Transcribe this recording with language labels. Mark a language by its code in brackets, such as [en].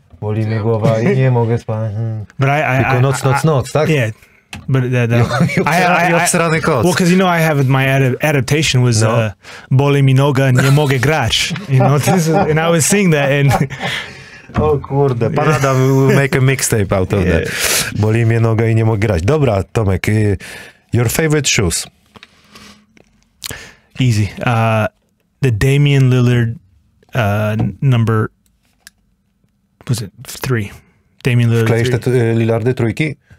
[pl] Boli mi głowa i nie mogę spać. [en] But I [pl] tylko noc, tak? [en] Yeah. But [pl] obsrany kot. [en] Well, because you know I have my adaptation was no. [pl] Boli mi noga, nie mogę grać. [en] You know, this is, and I was singing that and... [pl] O kurde, [en] pan Adam will make a mixtape out of that. [pl] Boli mnie noga i nie mogę grać. Dobra, [en] Tomek, your favorite shoes? Easy. The Damian Lillard number... Was it three? Damian Lillard [pl] Wklejesz three. Wklejesz te Lillardy trójki?